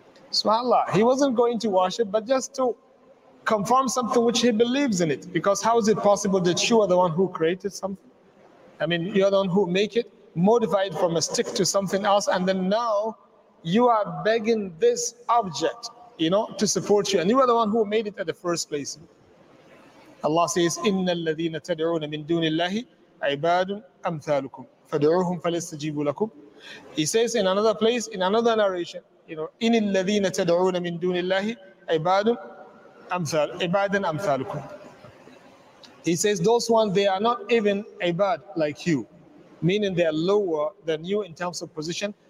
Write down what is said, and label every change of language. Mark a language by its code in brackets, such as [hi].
[en] SubhanAllah, he wasn't going to worship, but just to confirm something which he believes in it. Because how is it possible that you are the one who created something? I mean, you're the one who make it, modify it from a stick to something else, and then now you are begging this object, you know, to support you. And you are the one who made it at the first place. Allah says, [ar] إِنَّ الَّذِينَ تَدْعُونَ مِن دُونِ اللَّهِ عِبَادٌ أَمْثَالُكُمْ فَدْعُوهُمْ فَلِسْتَجِيبُوا لَكُمْ. [en] He says in another place, in another narration, you know, [ar] إِنِ الَّذِينَ تَدْعُونَ مِن دُونِ اللَّهِ عِبَادٌ أَمْثَالُكُمْ. [en] He says, those ones, they are not even ibad like you, meaning they are lower than you in terms of position.